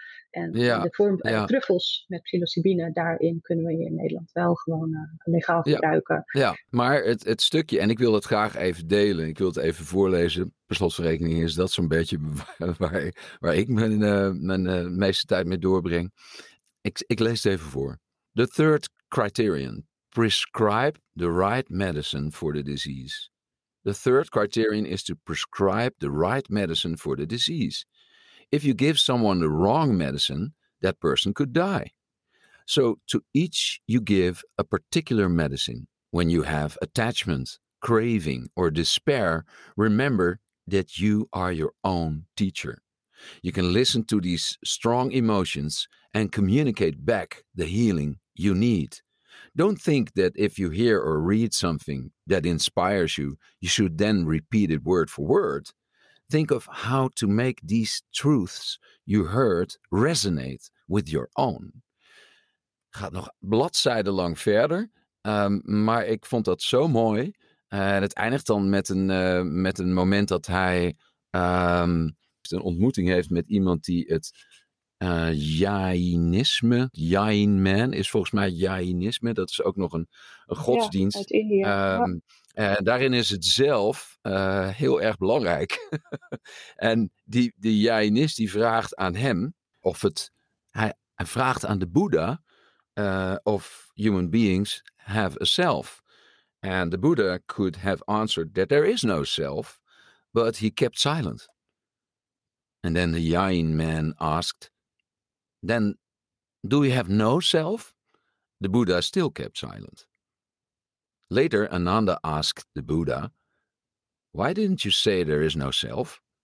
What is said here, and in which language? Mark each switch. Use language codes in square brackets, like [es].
[nl] En de truffels met psilocybine, daarin kunnen we hier in Nederland wel gewoon legaal gebruiken. Ja, maar het stukje, en ik wil het graag even delen, ik wil het even voorlezen. Per slotverrekening is dat zo'n beetje waar ik mijn meeste tijd mee doorbreng. Ik lees het even voor. [en] The third criterion, prescribe the right medicine for the disease. The third criterion is to prescribe the right medicine for the disease. If you give someone the wrong medicine, that person could die. So to each you give a particular medicine. When you have attachment, craving, or despair, remember that you are your own teacher. You can listen to these strong emotions and communicate back the healing you need. Don't think that if you hear or read something that inspires you, you should then repeat it word for word. Think of how to make these truths you heard resonate with your own. [nl] Gaat nog bladzijden lang verder, maar ik vond dat zo mooi. Het eindigt dan met een moment dat hij een ontmoeting heeft met iemand die het Jainisme, Jain Man is volgens mij Jainisme, dat is ook nog een godsdienst. Ja, uit India. En daarin is het zelf heel erg belangrijk. En die Jainist die vraagt aan hem, of hij vraagt aan de Boeddha of [en] human beings have a self. And the Buddha could have answered that there is no self, but he kept silent. And then the Jain man asked, then do we have no self? The Buddha still kept silent. Later, Ananda asked the Buddha, why didn't you say there is no self?